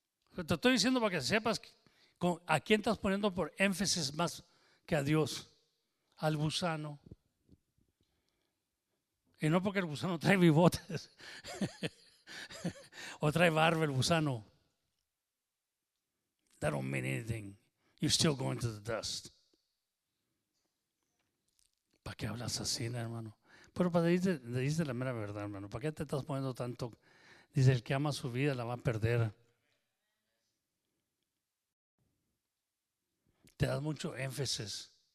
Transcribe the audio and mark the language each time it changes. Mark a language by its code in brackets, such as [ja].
[es] Pero te estoy diciendo para que sepas a quién estás poniendo por énfasis más que a Dios. Al gusano. Y no porque el gusano trae bigotes o trae barba el gusano. [en] That don't mean anything. You're still going to the dust. [es] ¿Para qué hablas así, hermano? Pero para decirte la mera verdad, hermano. ¿Para qué te estás poniendo tanto? Dice, el que ama su vida la va a perder. Te das mucho énfasis.